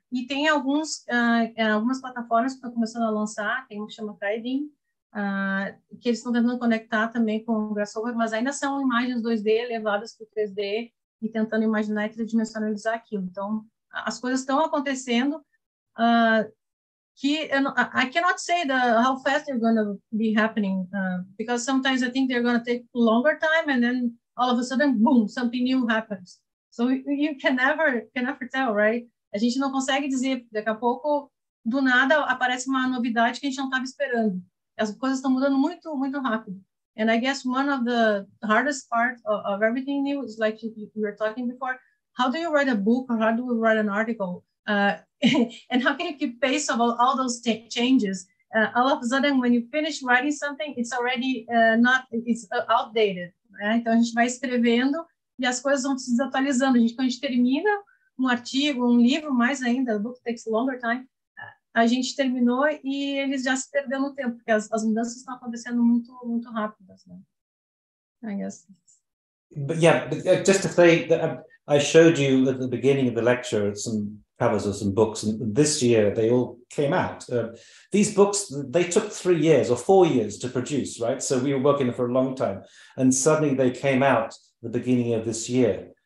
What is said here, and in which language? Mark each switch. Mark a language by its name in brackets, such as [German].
[Portuguese] E tem alguns, algumas plataformas que estão começando a lançar, tem um que chama Trading, que eles estão tentando conectar também com o Grasshopper, mas ainda são imagens 2D elevadas para o 3D, e tentando imaginar e tridimensionalizar aquilo. Então, as coisas estão acontecendo. [English] I cannot say how fast they're going to be happening, because sometimes I think they're going to take longer time, and then all of a sudden, boom, something new happens. So you can never tell, right? [Portuguese] A gente não consegue dizer, daqui a pouco, do nada, aparece uma novidade que a gente não estava esperando. As coisas estão mudando muito, muito rápido. [English] And I guess one of the hardest parts of everything new is, like you were talking before, how do you write a book or how do we write an article? and how can you keep pace of all those changes? All of a sudden, when you finish writing something, it's already not outdated. [Portuguese] Né? Então, a gente vai escrevendo e as coisas vão se desatualizando. Quando a gente termina um artigo, um livro, mais ainda, [English] the book takes longer time, [Portuguese] a gente terminou e eles já se perderam no tempo, porque as mudanças estão acontecendo muito, muito rápidas, né? [English] I guess. But yeah, but just to say that I showed you at the beginning of the lecture some covers of some books, and this year they all came out. These books, they took 3 years or 4 years to produce, right? So we were working for a long time, and suddenly they came out the beginning of this year.